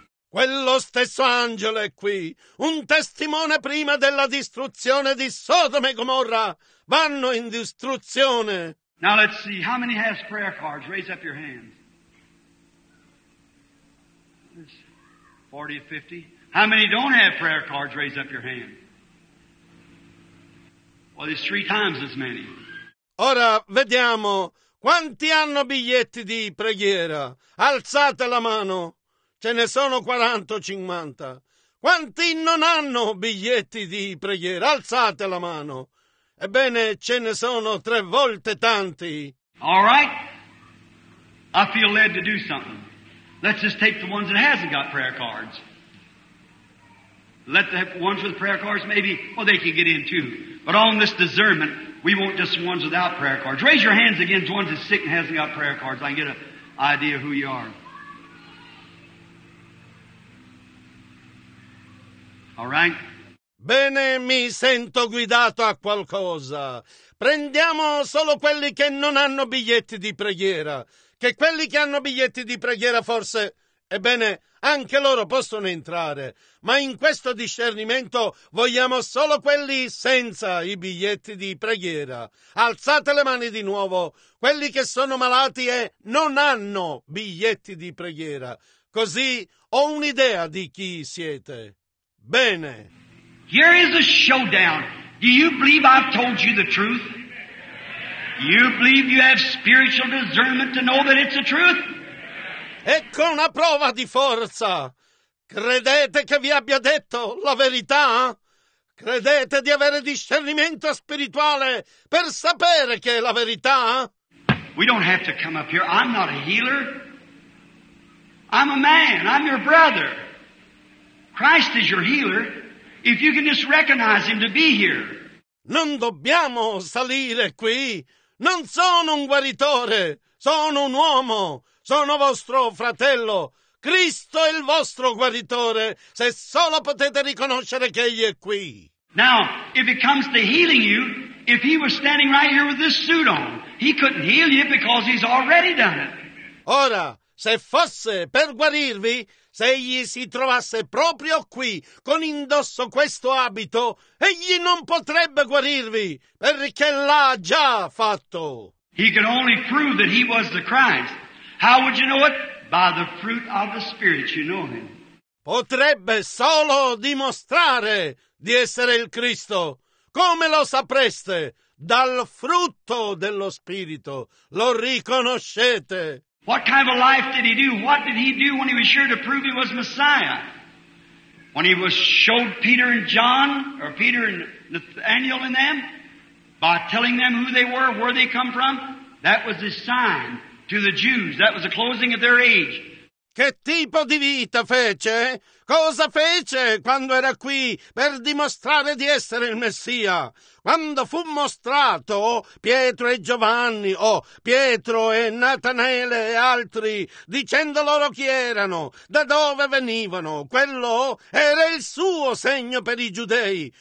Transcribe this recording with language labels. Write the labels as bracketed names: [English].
[Italian] Quello stesso angelo è qui, un testimone prima della distruzione di Sodoma e Gomorra. Vanno in distruzione. [English] Now let's see, how many has prayer cards? Raise up your hands. 40, 50. How many don't have prayer cards? Raise up your hand. Well, there's three times as many. [Italian] Ora vediamo, quanti hanno biglietti di preghiera? Alzate la mano. Ce ne sono 40 o 50. Quanti non hanno biglietti di preghiera? Alzate la mano. Ebbene, ce ne sono tre volte tanti. [English] All right. I feel led to do something. Let's just take the ones that hasn't got prayer cards. Let the ones with prayer cards maybe, well, they can get in too. But on this discernment, we want just ones without prayer cards. Raise your hands again, ones that's sick and hasn't got prayer cards. I can get an idea who you are. All right. [Italian] Bene, mi sento guidato a qualcosa. Prendiamo solo quelli che non hanno biglietti di preghiera. Che quelli che hanno biglietti di preghiera forse, ebbene, anche loro possono entrare. Ma in questo discernimento vogliamo solo quelli senza i biglietti di preghiera. Alzate le mani di nuovo. Quelli che sono malati e non hanno biglietti di preghiera. Così ho un'idea di chi siete. Bene. [English] Here is a showdown. Do you believe I've told you the truth? You believe you have spiritual discernment to know that it's the truth? [Italian] Ecco una prova di forza. Credete che vi abbia detto la verità? Credete di avere discernimento spirituale per sapere che è la verità? [English] We don't have to come up here. I'm not a healer. I'm a man. I'm your brother. Christ is your healer. If you can just recognize him to be here. [Italian] Non dobbiamo salire qui. Non sono un guaritore. Sono un uomo. Sono vostro fratello. Cristo è il vostro guaritore, se solo potete riconoscere che Egli è qui. [English] Now, if it comes to healing you, if he was standing right here with this suit on, he couldn't heal you because he's already done it. [Italian] Ora, se fosse per guarirvi, se egli si trovasse proprio qui, con indosso questo abito, egli non potrebbe guarirvi, perché l'ha già fatto. [English] He could only prove that he was the Christ. How would you know it? By the fruit of the Spirit, you know him. [Italian] Potrebbe solo dimostrare di essere il Cristo. Come lo sapreste? Dal frutto dello Spirito. Lo riconoscete. [English] What kind of a life did he do? What did he do when he was sure to prove he was Messiah? When he was showed Peter and John, or Peter and Nathaniel and them, by telling them who they were, where they come from, that was his sign. To the Jews, that was the closing of their age. [Italian] Che tipo di vita fece? Cosa fece quando era qui per dimostrare di essere il Messia? Quando fu mostrato Pietro e Giovanni, o Pietro e Natanele e altri, dicendo loro chi erano, da dove venivano, quello era il suo segno per i giudei.